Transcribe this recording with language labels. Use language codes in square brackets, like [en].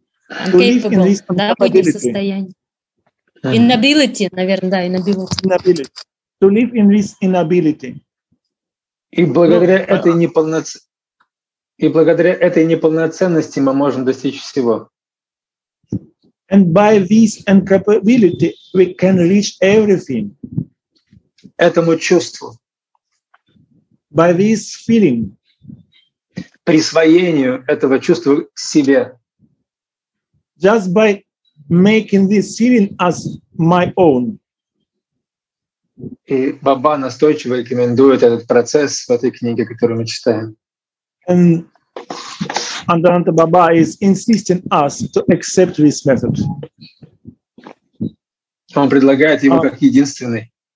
[en] Incapable, [ru] состояние. [en] Inability, [ru] наверное, да, [en] inability. To live in this inability. [ru] И благодаря этой неполноценности мы можем достичь всего. [en] And by this incapability we can reach everything. [ru] Этому чувству. [en] By this feeling. [ru] Присвоению этого чувства к себе. [en] Just by making this ceiling as my own. [ru] И Баба настойчиво рекомендует этот процесс в этой книге, которую мы читаем. [en] And Ananta Baba is insisting us to accept this method. [ru] Он предлагает его как единственный.